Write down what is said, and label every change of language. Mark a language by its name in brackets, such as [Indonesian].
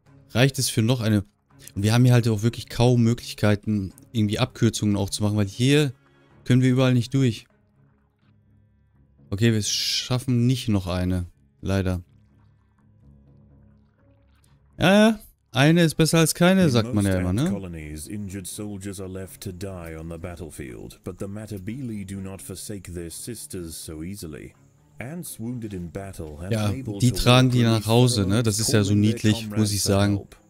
[German] Reicht es für noch eine? Und wir haben hier halt auch wirklich kaum Möglichkeiten, irgendwie Abkürzungen auch zu machen, weil hier können wir überall nicht durch. Okay, wir schaffen nicht noch eine. Leider. Ja, ja. Eine ist besser als keine, sagt man ja immer, ne? [English] Colonies, injured soldiers are left to die on the battlefield, but the Matabili do not forsake their sisters so easily. Ants wounded in battle have [German] ja, die tragen die nach Hause, ne? Das ist ja so niedlich, muss ich sagen.